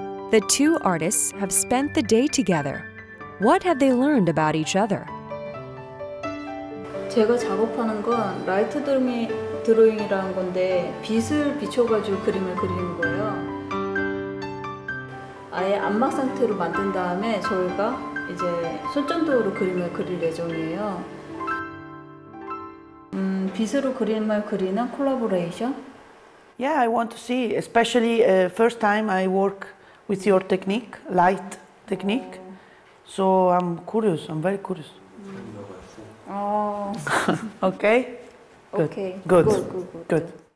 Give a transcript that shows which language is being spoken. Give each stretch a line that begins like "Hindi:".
English: The two artists have spent the day together. What have they learned about each other?
Korean: 제가 작업하는 건 라이트 드로잉이라는 건데 빛을 비춰가지고 그림을 그리는 거예요. 아예 암막 상태로 만든 다음에 저희가 이제 손전도로 그림을 그릴 예정이에요. 빛으로 그림을 그리는 콜라보레이션?
English: Yeah, I want to see, especially first time I work with your technique, light technique. So I'm curious, I'm very curious. Oh. Okay? Good. Okay. Good. Good.